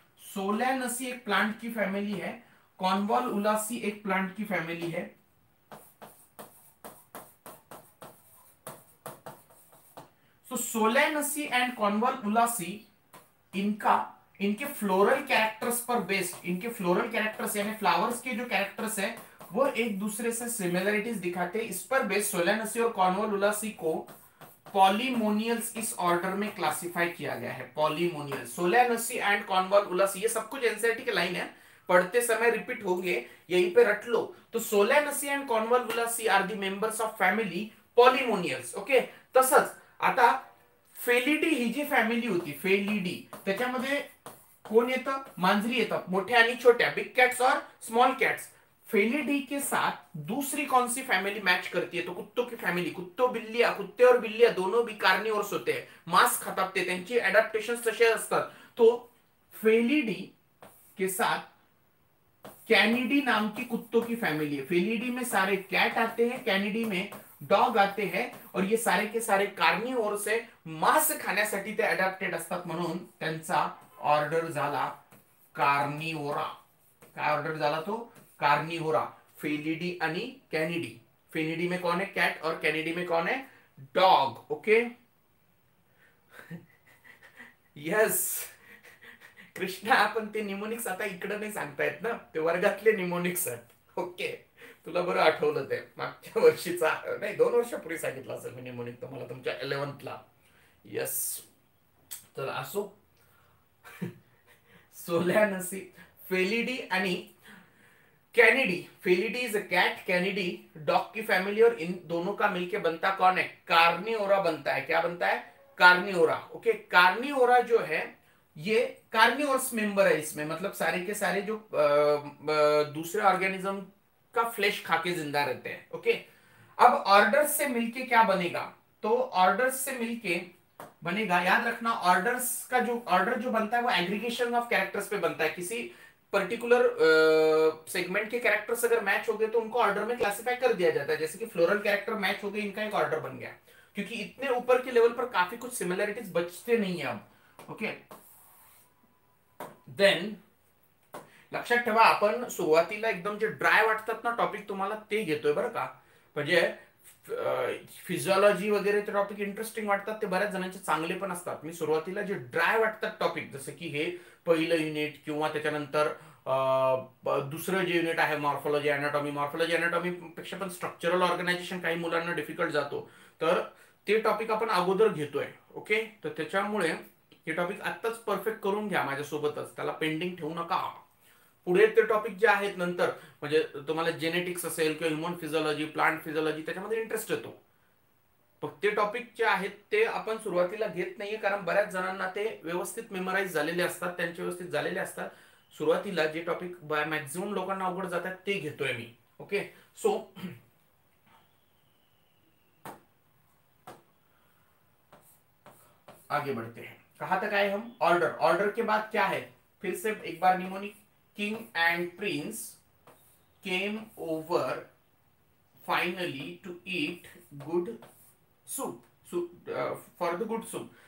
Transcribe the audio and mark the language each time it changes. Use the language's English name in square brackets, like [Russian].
[Hindi] सोलानसी एक प्लांट की फैमिली है, कॉर्नवॉल उलासी एक प्लांट की फैमिली है, तो सोलानसी एंड कॉर्नवॉल उलासी इनका इनके फ्लोरल कैरेक्टर्स पर बेस्ड, इनके फ्लोरल कैरेक्टर्स यानी फ्लावर्स के जो कैरेक्टर्स है वो एक दूसरे से सिमिलैरिटीज दिखाते हैं, इस पर बेस्ड सोलानसी और कॉर्नवॉल उलासी को पॉलीमोनियल्स इस ऑर्डर में क्लासिफाई किया गया है। पॉलीमोनियल सोलानसी एंड कॉर्नवॉल उलासी, ये सब कुछ एनसीईआरटी के लाइन है, पढ़ते समय रिपीट होंगे, यहीं पे रट लो। [English] तो Solanaceae and Convolvulaceae are the members of family Polemoniales, okay. [Marathi] तसच आता फेलिडी ही जी फॅमिली होती फेलिडी, त्याच्यामध्ये कोण येतं, मांजरी येतात मोठ्या आणि छोट्या, बिग कॅट्स और स्मॉल कॅट्स. [Hindi] फेलिडी के साथ दूसरी कौन सी फैमिली मैच करती है, तो कुत्तों की फैमिली. कुत्तों बिल्लियां, कुत्ते और बिल्लियां दोनों भी कार्निवोर्स होते हैं, मांस खाते हैं, [Marathi] त्यांची अडॅप्टेशन तसे असतात. [Hindi] तो फेलिडी के साथ कैनिडी नाम की कुत्तों की फैमिली है. फेलिडी में सारे कैट आते हैं, कैनिडी में डॉग आते हैं, और ये सारे के सारे कार्निवोर्स है, [Marathi] मांस खाण्यासाठी ते अडॅप्टेड असतात, म्हणून त्यांचा ऑर्डर झाला कार्निवोरा. काय ऑर्डर झाला तो कार्निवोरा. [Hindi] फेलिडी आणि कॅनिडी, फेलिडी में कौन है कॅट और कॅनिडी में कौन है डॉग. [Marathi] ओके यस कृष्णा, आपण ते निमोनिक्स आता इकडे नाही सांगतायत ना, ते वर्गातले निमोनिक्स आहेत. ओके तुला बरं आठवलं ते मागच्या वर्षीचा, नाही 2 वर्षापूर्वी सांगितलं असेल मी निमोनिक तुम्हाला तुमच्या 11th ला. यस तर असो सोल्यानसी फेलिडी आणि Canidae. [English] Felidae is a cat, [Hindi] Canidae dog की फैमिली, और इन दोनों का मिलके बनता कौन है कार्निओरा बनता है. क्या बनता है कार्निओरा. ओके कार्निओरा जो है ये कार्निओर्स मेंबर है इसमें, मतलब सारे के सारे जो दूसरे ऑर्गेनिज्म का फ्लेश खाके जिंदा रहते हैं. ओके अब ऑर्डर से मिलके क्या बनेगा, तो ऑर्डर से मिलके बनेगा, याद रखना ऑर्डर्स का जो ऑर्डर जो बनता है वो एग्रीगेशन ऑफ कैरेक्टर्स पे बनता है. किसी पर्टिकुलर सेगमेंट के कैरेक्टर्स अगर मैच हो गए तो उनको ऑर्डर में क्लासिफाई कर दिया जाता है. जैसे कि फ्लोरल कैरेक्टर मैच हो गए, इनका एक ऑर्डर बन गया, क्योंकि इतने ऊपर के लेवल पर काफी कुछ सिमिलरिटीज बचते नहीं है अब. [Marathi] ओके देन लक्षात ठेवा, आपण सुरुवातीला एकदम जे ड्राय वाटतात ना टॉपिक तुम्हाला ते घेतोय बरं का, म्हणजे फिजिओलॉजी वगैरे ते टॉपिक इंटरेस्टिंग वाटतात, ते बऱ्याच जणांचे चांगले पण असतात. मी सुरुवातीला जे ड्राय वाटतात टॉपिक, जसं की हे पहिलं युनिट किंवा त्याच्यानंतर दुसरं जे युनिट आहे मॉर्फॉलॉजी अनाटॉमी, मॉर्फॉलॉजी अनाटॉमी पेक्षा पण स्ट्रक्चरल ऑर्गनायझेशन काही मुलांना डिफिकल्ट जातो, तर ते टॉपिक आपण अगोदर घेतोय. ओके तर त्याच्यामुळे हे टॉपिक आत्ताच परफेक्ट करून घ्या माझ्यासोबतच, त्याला पेंडिंग ठेवू नका. पुढे ते टॉपिक जे आहेत नंतर, म्हणजे तुम्हाला जेनेटिक्स असेल किंवा ह्युमन फिजिओलॉजी, प्लांट फिजिओलॉजी, त्याच्यामध्ये इंटरेस्ट येतो, पण ते टॉपिक जे आहेत ते आपण सुरुवातीला घेत नाहीये, कारण बऱ्याच जणांना ते व्यवस्थित मेमराईज झालेले असतात, त्यांचे व्यवस्थित झालेले असतात. सुरुवातीला जे टॉपिक बाय मॅक्झिमम लोकांना अवघड जातात ते घेतोय मी. [Hindi] ओके सो आगे बढते हैं, कहां तक आए हम, ऑर्डर. ऑर्डर के बाद क्या है, फिर से एक बार mnemonic. [English] King and prince came over finally to eat good soup, for the good soup.